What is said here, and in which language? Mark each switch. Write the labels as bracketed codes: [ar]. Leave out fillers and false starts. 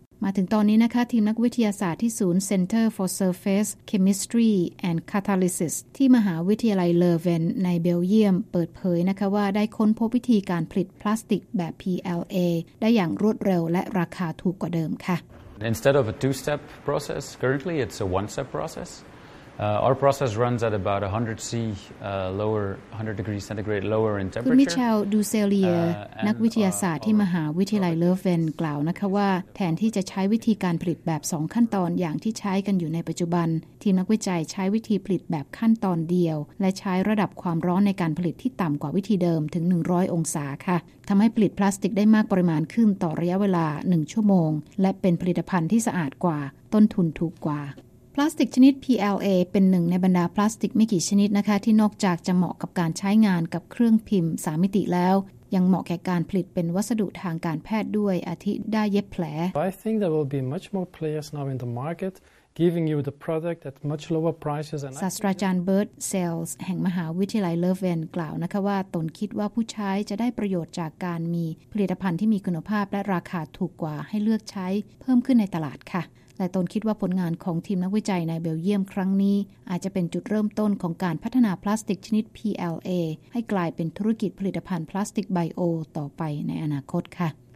[th] มาถึงตอนนี้นะคะทีมนักวิทยาศาสตร์ที่ศูนย์ Center for Surface Chemistry and Catalysis ที่มหาวิทยาลัยเลอเวนในเบลเยียมเปิดเผยนะคะว่าได้ค้นพบวิธีการผลิตพลาสติกแบบ PLA ได้อย่างรวดเร็วและราคาถูกกว่าเดิมค่ะ [en] Instead of a two-step process, currently it's a one-step process. Our process runs at about 100 C lower 100 degrees centigrade lower in temperature. [th] คุณมิเชลดูเซเลียนักวิทยาศาสตร์ที่มหาวิทยาลัยเลอเวนกล่าวนะคะว่าแทนที่จะใช้วิธีการผลิตแบบ2ขั้นตอนอย่างที่ใช้กันอยู่ในปัจจุบันทีมนักวิจัยใช้วิธีผลิตแบบขั้นตอนเดียวและใช้ระดับความร้อนในการผลิตที่ต่ำกว่าวิธีเดิมถึง100องศาค่ะทำให้ผลิตพลาสติกได้มากปริมาณขึ้นต่อระยะเวลา1ชั่วโมงและเป็นผลิตภัณฑ์ที่สะอาดกว่าต้นทุนถูกกว่า พลาสติกชนิด PLA เป็นหนึ่งในบรรดาพลาสติกไม่กี่ชนิดนะคะที่นอกจากจะเหมาะกับการใช้งานกับเครื่องพิมพ์3มิติแล้วยังเหมาะแก่การผลิตเป็นวัสดุทางการแพทย์ด้วยอาทิได้เย็บแผล [en] I think there will be much more players now in the market giving you the product at much lower prices [th] ศาสตราจารย์เบิร์ตเซลส์แห่งมหาวิทยาลัยเลอเวนกล่าวนะคะว่าตนคิดว่าผู้ใช้จะได้ประโยชน์จากการมีผลิตภัณฑ์ที่มีคุณภาพและราคาถูกกว่าให้เลือกใช้เพิ่มขึ้นในตลาดค่ะและตนคิดว่าผลงานของทีมนักวิจัยในเบลเยียมครั้งนี้อาจจะเป็นจุดเริ่มต้นของการพัฒนาพลาสติกชนิด PLA ให้กลายเป็นธุรกิจผลิตภัณฑ์พลาสติกไบโอต่อไปในอนาคตค่ะ